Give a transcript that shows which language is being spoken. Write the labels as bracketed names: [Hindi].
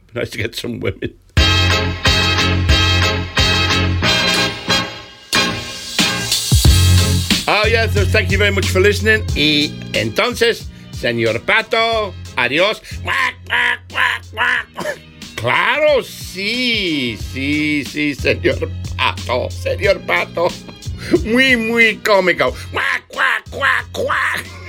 [English] Nice to get some women. Oh, yeah, so thank you very much for listening. [Spanish] Y entonces, señor Pato, adiós. Quack, quack, quack, quack. Claro, sí, sí, sí, señor Pato, señor Pato. Muy, muy cómico. Quack, quack, quack, quack.